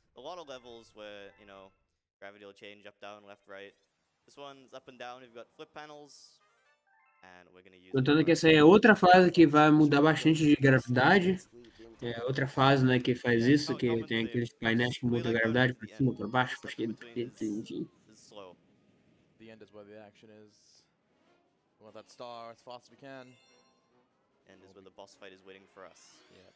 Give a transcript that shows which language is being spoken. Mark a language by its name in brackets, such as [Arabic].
[English] A lot of levels where, you know, gravity will change up, down, left, right. This one's up and down, we've got flip panels, and we're going to use... [Portuguese] Contando que essa aí é outra fase que vai mudar bastante de gravidade. É outra fase, né, que faz isso, que tem aqueles painéis que mudam a gravidade para cima, para baixo, para esquerda, enfim. [English] The end is where the action is. We want that star as fast as we can. And is where the boss fight is waiting for us.